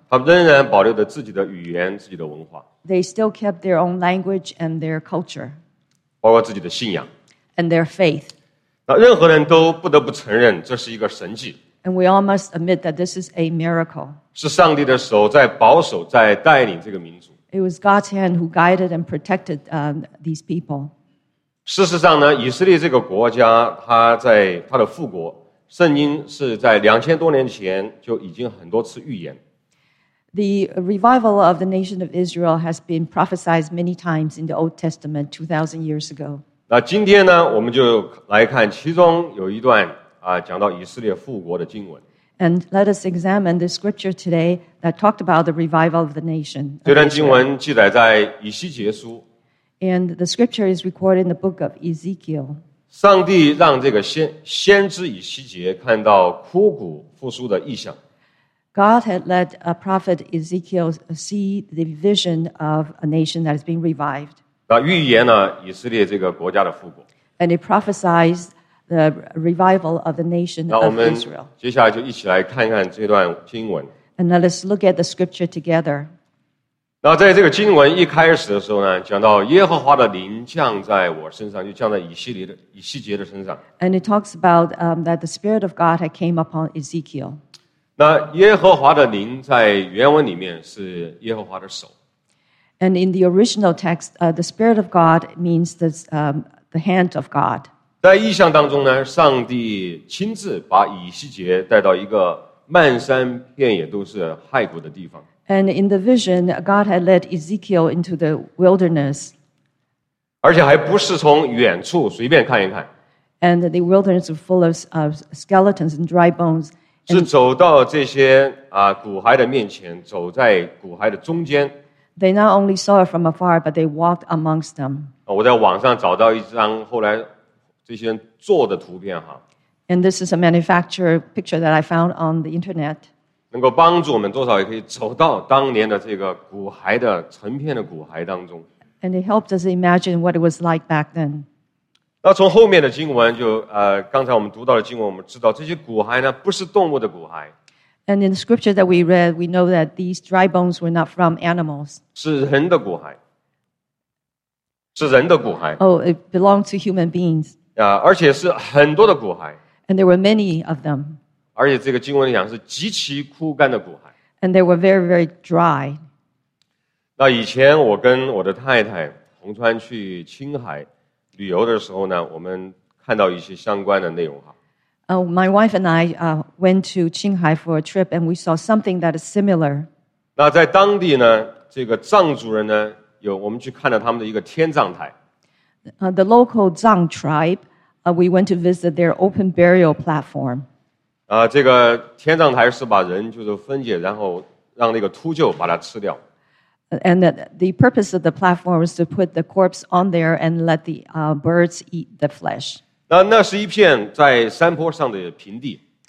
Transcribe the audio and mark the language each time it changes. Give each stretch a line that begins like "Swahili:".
Chinese: 他们仍然保留着自己的语言、自己的文化。
English: They still kept their own language and their culture,
Chinese: 包括自己的信仰
English: and their faith.
Chinese: 那任何人都不得不承认，这是一个神迹。
English: And we all must admit that this is a miracle.
Chinese: 是上帝的手在保守，在带领这个民族。
English: It was God's hand who guided and protected these people.
Chinese: 事实上呢，以色列这个国家，它在它的复国，圣经是在2000多年前就已经很多次预言。
English: The revival of the nation of Israel has been prophesied many times in the Old Testament 2,000 years ago.
Chinese: 那今天呢，我们就来看其中有一段。讲到以色列复国的经文。
English: And let us examine the scripture today that talked about the revival of the nation.
Chinese: 这段经文记载在以西结书。
English: And the scripture is recorded in the book of Ezekiel.
Chinese: 上帝让这个 先知以西结看到枯骨复苏的异象。
English: God had let a prophet Ezekiel see the vision of a nation that has been revived.
Chinese: 那预言了以色列这个国家的复国。
English: And it prophesied the revival of the nation of Israel.
Chinese: 那我们接下来就一起来看看这段经文。
English: And let us look at the scripture together.
Chinese: 那在这个经文一开始的时候呢，讲到耶和华的灵降在我身上，就降在以西结的身上。
English: And it talks about that the Spirit of God had came upon Ezekiel.
Chinese: 那耶和华的灵在原文里面是耶和华的手。
English: And in the original text, the Spirit of God means the hand of God.
Chinese: 在异象当中呢，上帝亲自把以西结带到一个漫山遍野都是骸骨的地方。
English: And in the vision, God had led Ezekiel into the wilderness.
Chinese: 而且还不是从远处随便看一看。
English: And the wilderness was full of skeletons and dry bones.
Chinese: 是走到这些骨骸的面前，走在骨骸的中间。
English: They not only saw it from afar, but they walked amongst them.
Chinese: 我在网上找到一张后来。这些人做的图片哈
English: ，and this is a manufacturer picture that I found on the internet.
Chinese: 能够帮助我们多少也可以走到当年的这个骨骸的成片的骨骸当中。
English: And it helped us imagine what it was like back then.
Chinese: 那从后面的经文就刚才我们读到的经文，我们知道这些骨骸呢不是动物的骨骸。
English: And in the scripture that we read, we know that these dry bones were not from animals.
Chinese: 是人的骨骸，是人的骨骸。
English: Oh, it belonged to human beings.
Chinese: 而且是很多的骨骸。
English: And there were many of them.
Chinese: 而且这个经文里讲是极其枯干的骨骸。
English: And they were very, very dry.
Chinese: 那以前我跟我的太太洪川去青海旅游的时候呢，我们看到一些相关的内容哈。
English: My wife and I went to Qinghai for a trip, and we saw something that is similar.
Chinese: 那在当地呢，这个藏族人呢，有我们去看了他们的一个天葬台。
English: The local Zhang tribe, we went to visit their open burial platform.
Chinese: 这个天葬台是把人就是分解，然后让那个秃鹫把它吃掉。
English: And the purpose of the platform was to put the corpse on there and let the birds eat the flesh.
Chinese: 那是一片在山坡上的平地。